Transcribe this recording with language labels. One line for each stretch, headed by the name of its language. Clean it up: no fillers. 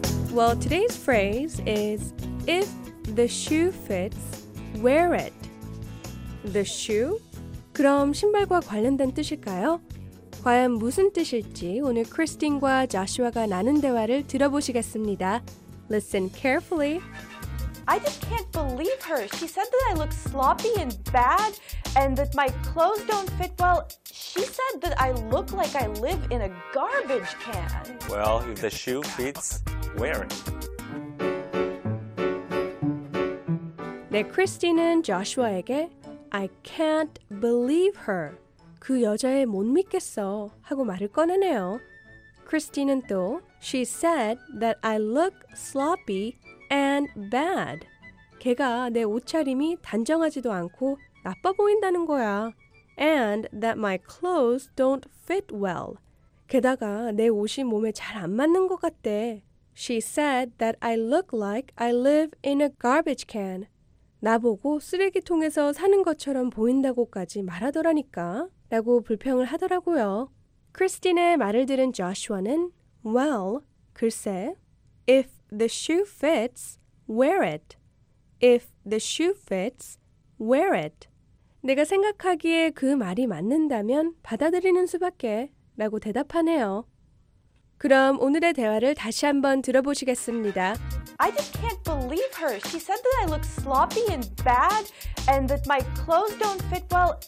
English: Well, today's phrase is if the shoe fits, wear it. The shoe?
Korean: 그럼 신발과 관련된 뜻일까요? 과연 무슨 뜻일지 오늘 크리스틴과 자슈아가 나눈 대화를 들어보시겠습니다.
English: Listen carefully. I just can't believe her. She said that I look sloppy and bad and that my clothes don't fit well. She said that I look like I live in a garbage can. Well, if the shoe fits, wear it.
Korean: 네, 크리스틴은 자슈아에게
English: I can't believe her.
Korean: 그 여자에 못 믿겠어 하고 말을 꺼내네요. 크리스틴은 또
English: She said that I look sloppy and bad.
Korean: 걔가 내 옷차림이 단정하지도 않고 나빠 보인다는 거야.
English: And that my clothes don't fit well.
Korean: 게다가 내 옷이 몸에 잘 안 맞는 것 같대.
English: She said that I look like I live in a garbage can.
Korean: 나보고 쓰레기통에서 사는 것처럼 보인다고까지 말하더라니까. 라고 불평을 하더라고요. 크리스틴의 말을 들은 조슈아는
English: Well,
Korean: 글쎄,
English: If the shoe fits, wear it. If the shoe fits, wear it.
Korean: 내가 생각하기에 그 말이 맞는다면 받아들이는 수밖에 라고 대답하네요. 그럼 오늘의 대화를 다시 한번 들어보시겠습니다.
English: I just can't believe her. She said that I look sloppy and bad and that my clothes don't fit well.